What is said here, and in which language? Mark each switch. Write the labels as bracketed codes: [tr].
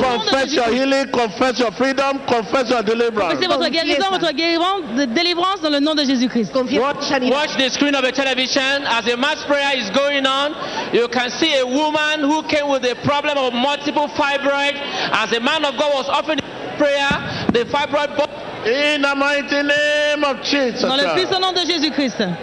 [en] Confess your healing, confess your freedom, confess your deliverance. [fr] Confessez votre guérison, votre guérison, délivrance dans le nom de Jésus-Christ. [en] Watch the screen of the television. As a mass prayer is going on, you can see a woman who came with a problem of multiple fibroids. As a man of God was offering prayer, the fibroid. In the mighty name of Jesus. [fr] Dans le puissant nom de Jésus-Christ.